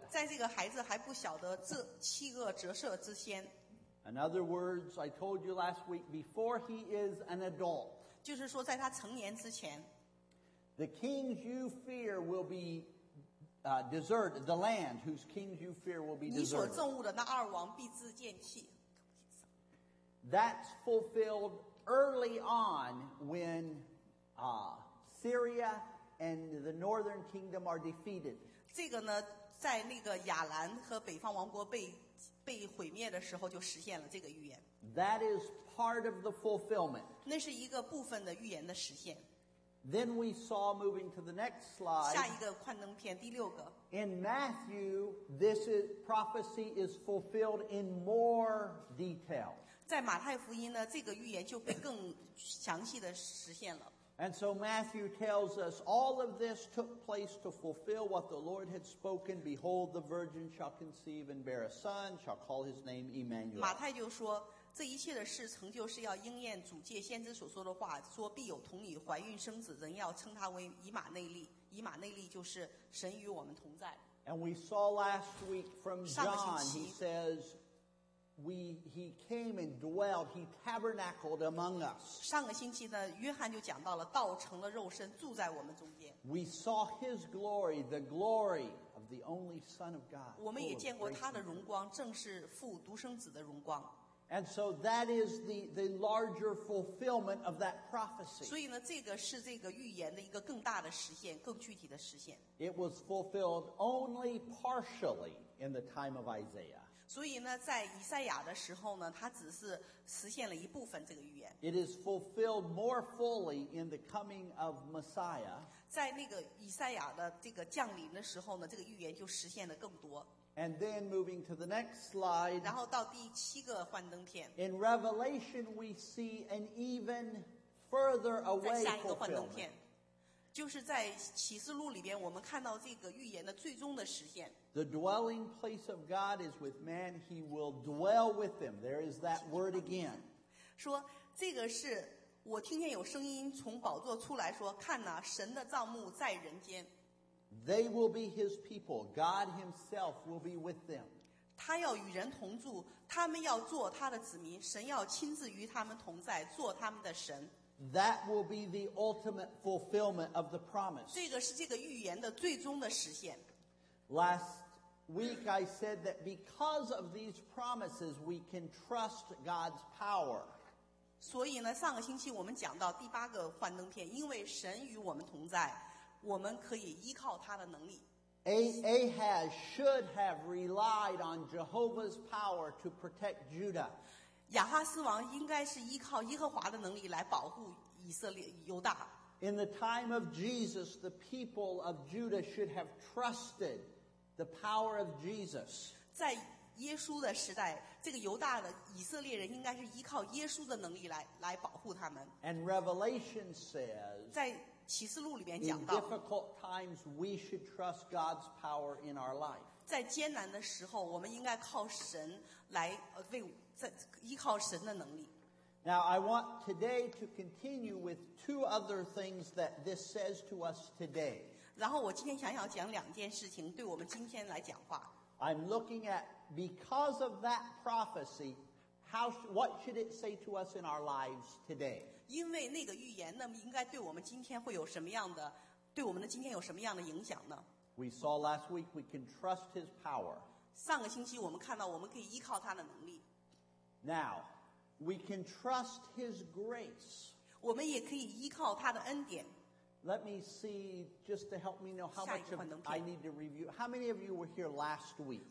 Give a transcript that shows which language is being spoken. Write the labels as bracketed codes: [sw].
[zh] 在这个孩子还不晓得这七恶折射之先。 [en] In other words, I told you last week, before he is an adult. [zh] 就是说在他成年之前。 [en] The kings you fear will be deserted, the land whose kings you fear will be deserted. [zh] 你所憎恶的那二王必自见弃。 [en] That's fulfilled early on when Syria and the northern kingdom are defeated. [zh] 这个呢，在那个亚兰和北方王国被毁灭的时候，就实现了这个预言。 [en] That is part of the fulfillment. [zh] 那是一个部分的预言的实现。 [en] Then we saw moving to the next slide. [zh] 下一个幻灯片第六个。 [en] In Matthew, this is, prophecy is fulfilled in more detail. [zh] 在马太福音呢，这个预言就被更详细的实现了。 [en] And so Matthew tells us all of this took place to fulfill what the Lord had spoken. Behold, the virgin shall conceive and bear a son, shall call his name Emmanuel. [zh] 马太就说。这一切的事成就是要应验主借先知所说的话，说必有童女怀孕生子，人要称他为以马内利。以马内利就是神与我们同在。 [en] And we saw last week from John, he says, he came and dwelled, he tabernacled among us. [zh] 上个星期呢，约翰就讲到了道成了肉身，住在我们中间。 [en] We saw his glory, the glory of the only Son of God. [zh] 我们也见过他的荣光，正是父独生子的荣光。 [en] And so that is the larger fulfillment of that prophecy. [zh] 所以呢，这个是这个预言的一个更大的实现，更具体的实现。 [en] It was fulfilled only partially in the time of Isaiah. [zh] 所以呢，在以赛亚的时候呢，他只是实现了一部分这个预言。 [en] It is fulfilled more fully in the coming of Messiah. [zh] 在那个以赛亚的这个降临的时候呢，这个预言就实现了更多。 [en] And then moving to the next slide. [zh] 然后到第七个幻灯片。 [en] In Revelation, we see an even further away fulfillment. [zh] 在下一个幻灯片，就是在启示录里边，我们看到这个预言的最终的实现。 [en] The dwelling place of God is with man; He will dwell with them. There is that word again. [zh] 说这个是我听见有声音从宝座出来说，看哪，神的帐幕在人间。 [en] They will be his people. God himself will be with them. [zh] 他要与人同住，他们要做他的子民，神要亲自与他们同在，做他们的神。 [en] That will be the ultimate fulfillment of the promise. [zh] 这个是这个预言的最终的实现。 [en] Last week I said that because of these promises, we can trust God's power. [zh] 所以呢，上个星期我们讲到第八个幻灯片，因为神与我们同在。我们可以依靠他的能力。 [en] Ahaz should have relied on Jehovah's power to protect Judah. [zh] 亚哈斯王应该是依靠耶和华的能力来保护以色列犹大。 [en] In the time of Jesus, the people of Judah should have trusted the power of Jesus. [zh] 在耶稣的时代，这个犹大的以色列人应该是依靠耶稣的能力来保护他们。 [en] And Revelation says. [zh] 在启示录里面讲到 [en] In difficult times, we should trust God's power in our life. [zh] 在艰难的时候，我们应该靠神来为在依靠神的能力。 [en] Now, I want today to continue with two other things that this says to us today. [zh] 然后我今天想要讲两件事情，对我们今天来讲话。 [en] I'm looking at because of that prophecy, what should it say to us in our lives today? [zh] 因为那个预言，那么应该对我们今天会有什么样的，对我们的今天有什么样的影响呢 [en] ？We saw last week we can trust His power. [zh] 上个星期我们看到我们可以依靠他的能力。 [en] Now, we can trust His grace. [zh] 我们也可以依靠他的恩典。 [en] Let me see, just to help me know how much I need to review. How many of you were here last week?